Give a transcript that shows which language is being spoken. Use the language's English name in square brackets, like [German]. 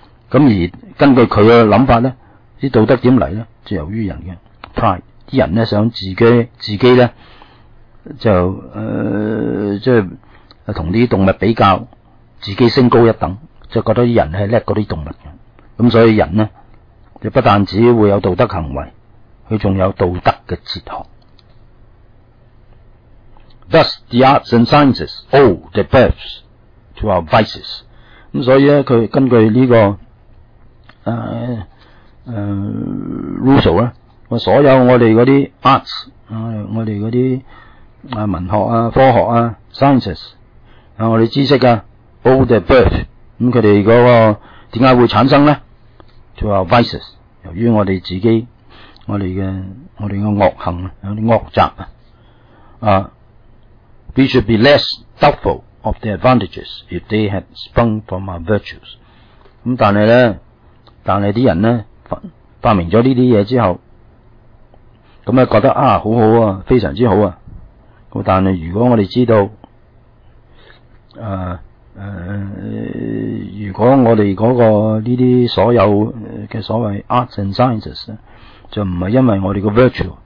[Cantonese] 咁而根据佢嘅谂法咧，啲道德点嚟咧，就由于人嘅 pride， 啲人咧想自己咧就即系同啲动物比较，自己升高一等，就觉得啲人系叻过啲动物嘅。咁所以人咧就不但只会有道德行为，佢仲有道德嘅哲学。 [English] Thus, the arts and sciences owe their births to our vices. [Cantonese] 所以佢根据呢、这个Rousseau 咧，所有我哋嗰啲 arts 我哋嗰啲文学啊、科学啊、sciences 啊，我哋知识啊 ， [English] owe their birth。 [Cantonese] 咁佢哋嗰个点解会产生咧 ？ [English] To our vices， [Cantonese] 由于我哋自己我哋嘅恶行有啲恶习啊。 [English] We should be less doubtful of the advantages if they had sprung from our virtues. [Cantonese] 咁但系咧，但系啲人咧发明咗呢啲嘢之后，咁啊觉得啊好好啊，非常之好啊。咁但系如果我哋知道，如果我哋嗰、那个呢啲所有嘅所谓 [English] arts and sciences [Cantonese] 咧，就唔系因为我哋个 virtue。